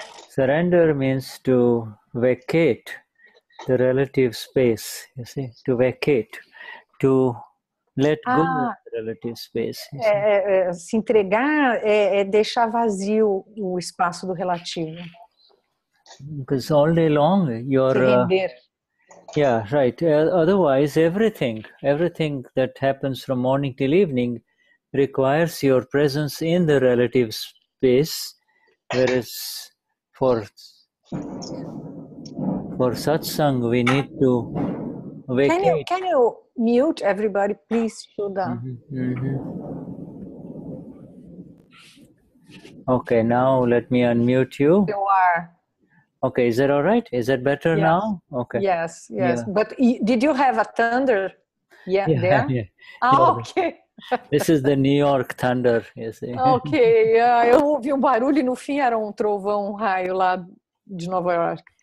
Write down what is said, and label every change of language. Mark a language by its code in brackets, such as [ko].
[en] Surrender means to vacate the relative space, you see, to vacate, to let go of the relative space. [pt] Se entregar é deixar vazio o espaço do relativo. [en] Because all day long you're... Yeah, right. Otherwise, everything that happens from morning till evening requires your presence in the relative space, whereas for satsang we need to vacate. Can you mute everybody, please, Shuddha? Okay, now let me unmute you. You are. Okay, is that all right? Is that better now? Okay. Yes. Yeah. But did you have a thunder? Yeah. Okay. This is the New York thunder, you see. [pt] Okay, eu ouvi um barulho e no fim era um trovão, um raio lá de Nova York.